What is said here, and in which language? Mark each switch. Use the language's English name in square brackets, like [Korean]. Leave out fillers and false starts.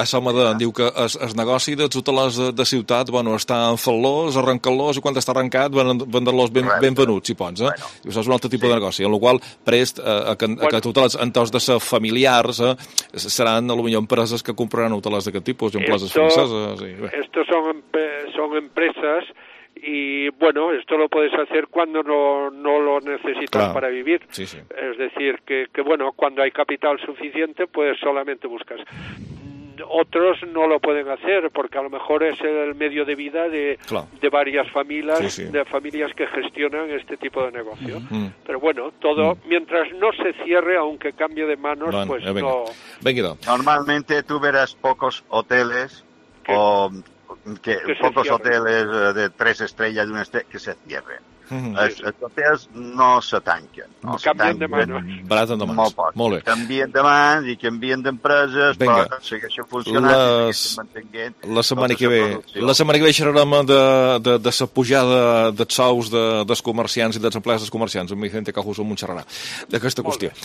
[Catalan] A Salmada diu que el negoci dels hotels de ciutat, bueno, està en fal·lós, arrencant-los, i quan està arrencat, vendre-los ben venuts, si pots, eh? Bueno. És un altre tipus de negoci, en el qual prest que hotels, en tots de ser familiars, seran, potser, empreses que compraran hotels d'aquest tipus, i empreses franceses. [Spanish] Estos son empresas, y bueno, esto lo puedes hacer cuando no lo necesitas claro. para vivir. Sí, sí. Es decir, que bueno, cuando hay capital suficiente, pues solamente buscas. Otros no lo pueden hacer porque a lo mejor es el medio de vida de varias familias, sí, sí. de familias que gestionan este tipo de negocio. Mm-hmm. Pero bueno, todo mientras no se cierre, aunque cambie de manos, bueno, pues venga. No. Venga. Normalmente tú verás pocos hoteles hoteles de 3 estrellas de una estrella que se cierren. [Catalan] Els hotels no se tanquen. Canvien de mans. Molt poc. Molt bé. Canvien de mans i canvien d'empreses, però segueixen funcionant. La setmana que ve xerrarem de la pujada dels sous dels comerciants i dels empleats dels comerciants, amb Vicente Cajús, on xerrarà d'aquesta qüestió.